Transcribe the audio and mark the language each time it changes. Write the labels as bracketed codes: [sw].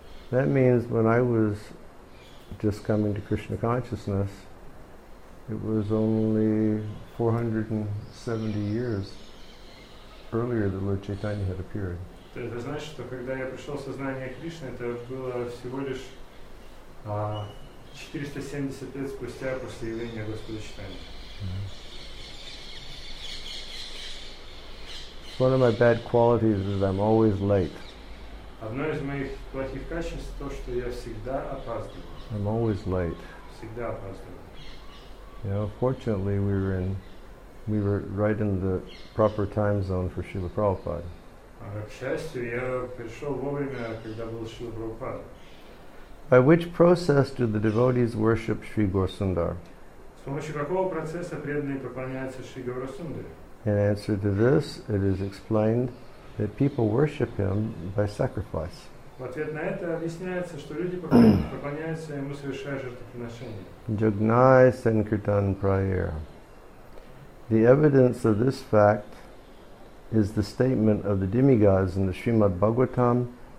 [en] That means when I was just coming to Krishna consciousness, it was only 470 years earlier that Lord Chaitanya had appeared. [ru] Это значит, что когда я пришел в сознание Кришны, это было всего лишь 470 лет спустя после явления Господа Чайтаньи. [en] One of my bad qualities is I'm always late. [ru] Одно из моих плохих качеств то, что я всегда опаздываю. [en] I'm always late. [ru] Всегда опаздываю. [en] You know, fortunately we were right in the proper time zone for Srila Prabhupada. [ru] К счастью, я пришел вовремя, когда был Шрила Прабхупада. [en] By which process do the devotees worship Sri Gaurasundara? [ru] С помощью какого процесса преданные поклоняются Шри Гаурасундаре? [en] In answer to this, it is explained that people worship him by sacrifice. [ru] В ответ на это объясняется, что люди поклоняются ему, совершая жертвоприношение. [sa] Jagnai Sankirtan Prayer. [en] The evidence of this fact is the statement of the demigods in the Srimad Bhagavatam